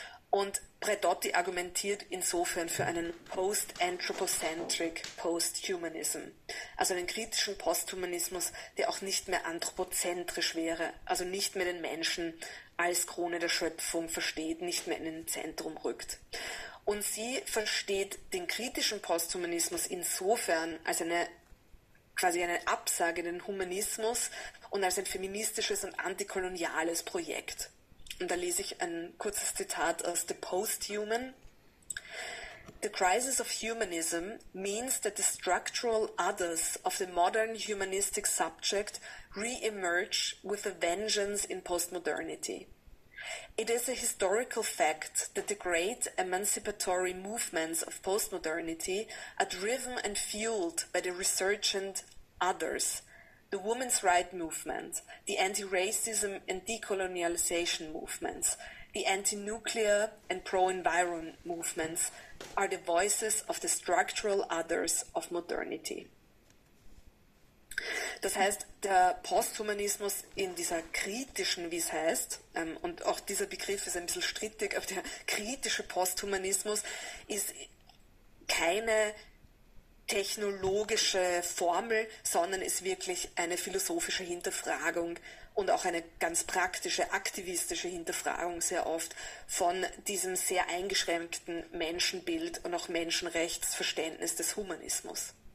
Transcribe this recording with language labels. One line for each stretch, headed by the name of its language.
German: Und Predotti argumentiert insofern für einen Post-Anthropocentric Post-Humanism, also einen kritischen Posthumanismus, der auch nicht mehr anthropozentrisch wäre, also nicht mehr den Menschen als Krone der Schöpfung versteht, nicht mehr in den Zentrum rückt. Und sie versteht den kritischen Posthumanismus insofern als eine quasi eine Absage in den Humanismus und als ein feministisches und antikoloniales Projekt. Und da lese ich ein kurzes Zitat aus The Post-Human.
English: The crisis of humanism means that the structural others of the modern humanistic subject re-emerge with a vengeance in postmodernity. It is a historical fact that the great emancipatory movements of postmodernity are driven and fueled by the resurgent others. The women's rights movement, the anti-racism and decolonialization movements, the anti-nuclear and pro-environment movements are the voices of the structural others of modernity.
German: Das heißt, der Posthumanismus in dieser kritischen, wie es heißt, und auch dieser Begriff ist ein bisschen strittig, aber der kritische Posthumanismus ist keine technologische Formel, sondern ist wirklich eine philosophische Hinterfragung und auch eine ganz praktische, aktivistische Hinterfragung sehr oft von diesem sehr eingeschränkten Menschenbild und auch Menschenrechtsverständnis des Humanismus.